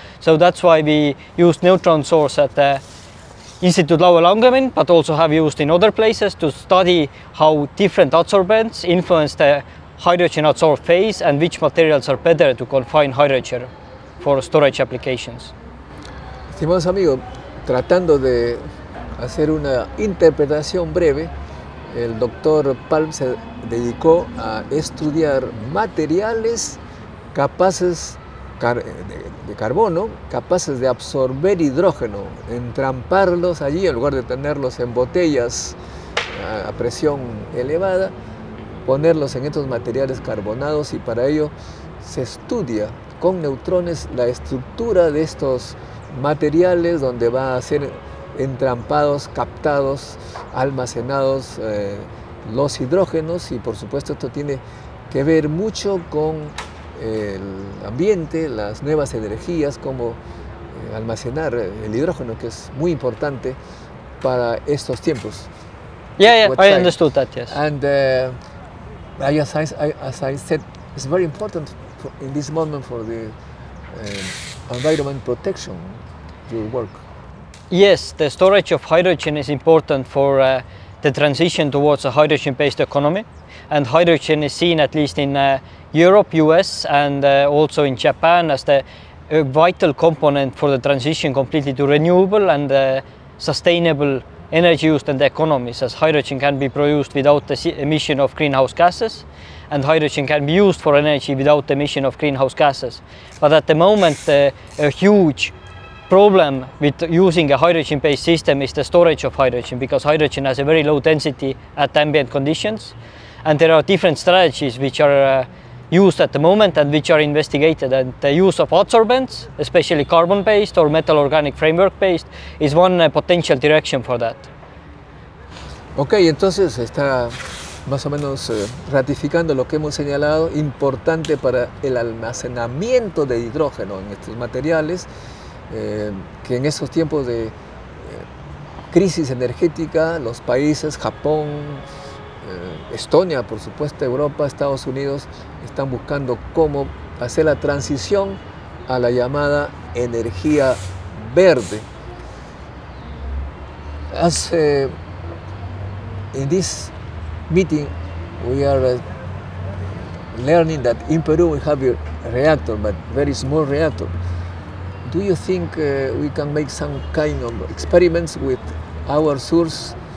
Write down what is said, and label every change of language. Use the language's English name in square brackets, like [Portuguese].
[English] So that's why we use neutron source at the Institute Lao Langevin, but also have used in other places to study how different adsorbents influence the hydrogen adsorbed phase and which materials are better to confine hydrogen for storage applications. [Spanish] Estimados amigos, tratando de hacer una interpretación breve, el doctor Palm se dedicó a estudiar materiales capaces de carbono, capaces de absorber hidrógeno, entramparlos allí en lugar de tenerlos en botellas a presión elevada, ponerlos en estos materiales carbonados, y para ello se estudia con neutrones la estructura de estos materiales donde va a ser entrampados, captados, almacenados los hidrógenos, y por supuesto esto tiene que ver mucho con el ambiente, las nuevas energías, cómo almacenar el hidrógeno, que es muy importante para estos tiempos. [English] Yeah, I understood that. Yes. And as I said, it's very important in this moment for the environment protection. Your work. Yes, the storage of hydrogen is important for the transition towards a hydrogen-based economy. And hydrogen is seen, at least in Europe, US, and also in Japan, as the vital component for the transition completely to renewable and sustainable energy used in the economies, as hydrogen can be produced without the emission of greenhouse gases, and hydrogen can be used for energy without the emission of greenhouse gases. But at the moment, a huge problem with using a hydrogen-based system is the storage of hydrogen, because hydrogen has a very low density at ambient conditions, and there are different strategies which are used at the moment and which are investigated, and the use of adsorbents, especially carbon-based or metal-organic framework-based, is one potential direction for that. [Spanish] Okay, entonces está más o menos ratificando lo que hemos señalado, importante para el almacenamiento de hidrógeno en estos materiales. Que en esos tiempos de crisis energética, los países, Japón, Estonia, por supuesto, Europa, Estados Unidos, están buscando cómo hacer la transición a la llamada energía verde. [English] As in this meeting, we are learning that in Peru we have a reactor, but very small reactor. Do you think we can make some kind of experiments with our source?